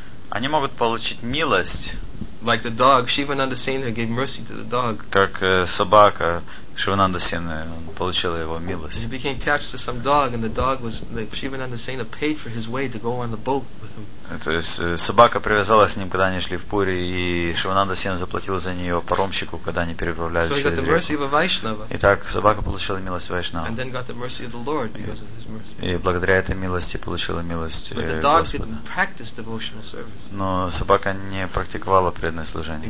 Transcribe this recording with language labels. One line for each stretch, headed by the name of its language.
Russian: Они могут получить милость.
English: Like the dog, Шивананда Сейна gave mercy to the dog.
Russian: Как собака Шивананда Сейна получила его милость.
English: He became attached to some dog, and the dog was like Шивананда Сейна paid for his way to go on the boat with him.
Russian: То есть собака привязалась с ним, когда они шли в Пури, и Шивананда Сейна заплатил за нее паромщику, когда они переправлялись через
English: So he got the mercy of a Vaishnava.
Russian: Итак, собака получила милость Вайшнава.
English: And then got the mercy of the Lord because of his mercy.
Russian: И благодаря этой милости получила милость Господа.
English: But the dog didn't practice devotional service.
Russian: Но собака не практиковала преданное служение.